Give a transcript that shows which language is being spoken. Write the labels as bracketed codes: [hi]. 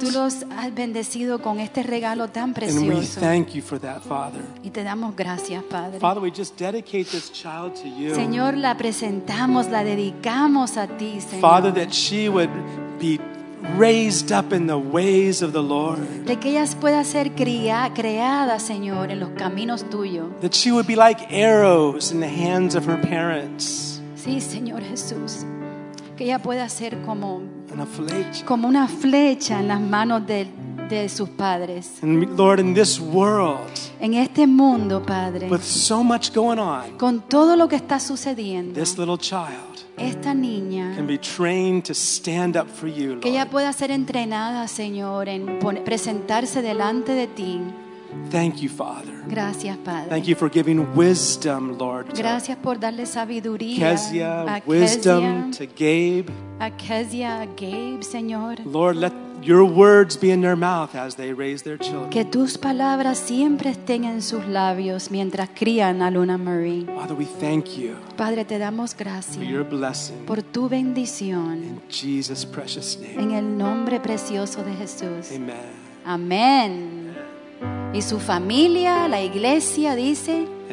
[es] Tú los has bendecido con este regalo tan precioso. [en] And we thank you for that, Father. [es] Y te damos gracias, Padre. [en] Father, we just dedicate this child to you. [es] Señor, la presentamos, la dedicamos a ti, Señor. [en] Father, that she would be raised up in the ways of the Lord. [es] De que ella pueda ser creada, Señor, en los caminos tuyos. [en] That she would be like arrows in the hands of her parents. [es] Sí, Señor Jesús. Que ella pueda ser como una flecha. Como una flecha en las manos de sus padres. [en] And Lord, in this world. [es] En este mundo, Padre. [en] With so much going on. [es] Con todo lo que está sucediendo. [en] This little child. [es] Esta niña, [en] can be trained to stand up for you, Lord. [es] Que ella pueda ser entrenada, Señor, en presentarse delante de ti. [en] Thank you, Father. [es] Gracias, Padre. [en] Thank you for giving wisdom, Lord. [es] Gracias por darle sabiduría Kezia, a [en] wisdom Kezia, to Gabe. [es] A Kezia, a Gabe, Señor. [en] Lord, let your words be in their mouth as they raise their children. [es] Que tus palabras siempre estén en sus labios mientras crían a Lunamarie. [en] Father, we thank you. [es] Padre, te damos gracias. [en] For your blessing. [es] Por tu bendición. [en] In Jesus' precious name. [es] En el nombre precioso de Jesús. [en] Amen. [es] Amen. Y su familia, la iglesia, dice